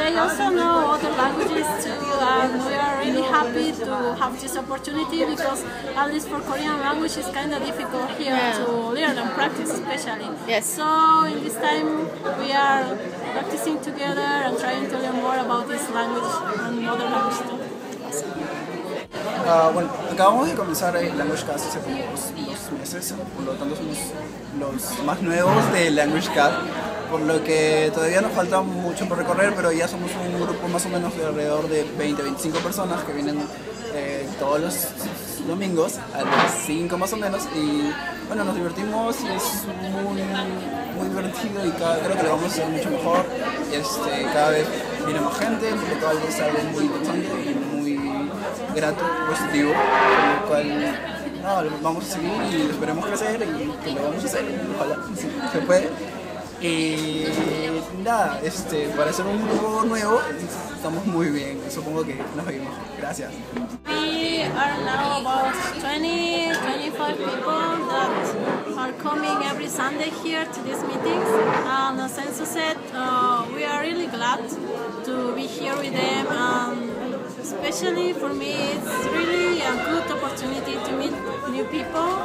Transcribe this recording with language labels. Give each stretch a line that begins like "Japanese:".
English: And they also know other languages too, and we are really happy to have this opportunity, because at least for Korean language it's kind of difficult here, yeah, to learn and practice especially. Yes. So in this time we are practicing together and trying to learn more about this language and other languages too.
Spanish: Bueno, acabamos de comenzar el LanguageCast hace como dos meses, por lo tanto somos los más nuevos de LanguageCast, por lo que todavía nos falta mucho por recorrer, pero ya somos un grupo más o menos de alrededor de 20-25 personas que vienen todos los domingos a las 5 más o menos, y bueno, nos divertimos y es muy, muy divertido, y creo que lo vamos a hacer mucho mejor. Cada vez viene más gente, porque todo es algo muy importante y grato, positivo, con el cual no, vamos a seguir y esperemos crecer y que lo vamos a hacer, ojalá, si se puede. Y nada, para ser un grupo nuevo estamos muy bien, supongo que nos vemos, gracias.
English: We are now about 20-25 people that are coming every Sunday here to these meetings, and as Enzo said, we are really glad to be here with them, and especially for me, it's really a good opportunity to meet new people.